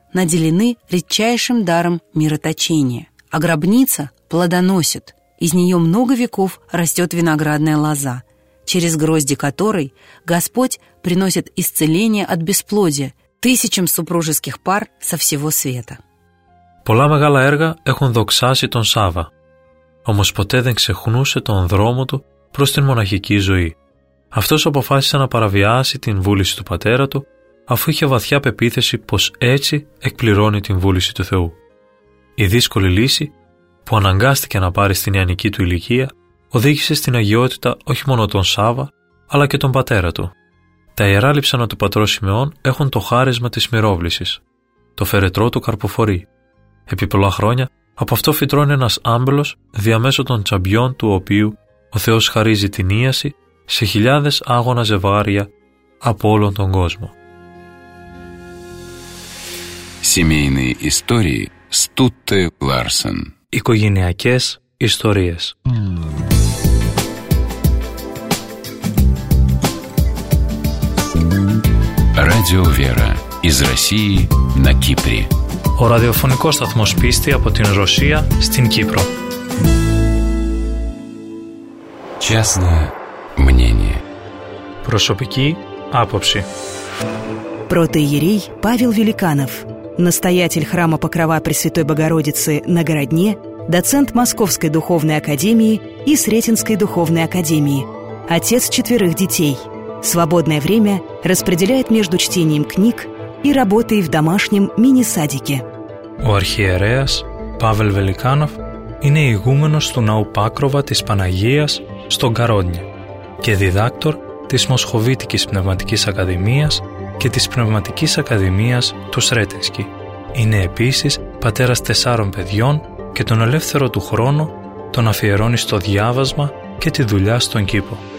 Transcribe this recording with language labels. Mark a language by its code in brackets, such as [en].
[ru] наделены редчайшим даром мироточения. А гробница плодоносит. Из нее много веков растет виноградная лоза, через грозди которой Господь приносит исцеление от бесплодия тысячам супружеских пар со всего света. [el] Πολλά μεγάλα έργα έχουν δοξάσει τον Σάβα, όμως ποτέ δεν ξεχνούσε τον δρόμο του προς την μοναχική ζωή. Αυτός αποφάσισε να παραβιάσει την βούληση του πατέρα του, αφού είχε βαθιά πεποίθηση πως έτσι εκπληρώνει την βούληση του Θεού. Η δύσκολη λύση που αναγκάστηκε να πάρει στην νεανική του ηλικία οδήγησε στην αγιότητα όχι μόνο τον Σάβα, αλλά και τον πατέρα του. Τα ιερά λείψανα του πατρός Σιμεών έχουν το χάρισμα της μυρόβλησης. Το φερετρό του καρποφορεί. Επί πολλά χρόνια από αυτό φυτρώνει ένας άμπελος διαμέσου των τσαμπιών του οποίου ο Θεός χαρίζει την ίαση σε χιλιάδες άγωνα ζευγάρια από όλον τον κόσμο. [ru] Семейные истории Стутте Ларсен. [el] Οικογενειακές ιστορίες. [ru] Радио Вера из России на Кипре. [el] Ο ραδιοφωνικός σταθμός πίστη από την Ρωσία στην Κύπρο. [ru] Частное мнение. [el] Προσωπική άποψη. [ru] Протоиерей Павел Великанов, настоятель храма Покрова Пресвятой Богородицы на Городне, доцент Московской духовной академии и Сретенской духовной академии, отец четверых детей. Свободное время распределяет между чтением книг и работой в домашнем мини-садике. [el] Ο αρχιερέας Παύλ Βελικάνοφ είναι ηγούμενος του Ναού Πάκροβα της Παναγίας στον Καρόνια και διδάκτορ της Μοσχοβίτικης Πνευματικής Ακαδημίας και της Πνευματικής Ακαδημίας του Σρέτενσκι. Είναι επίσης πατέρας τεσσάρων παιδιών και τον ελεύθερο του χρόνο τον αφιερώνει στο διάβασμα και τη δουλειά στον κήπο.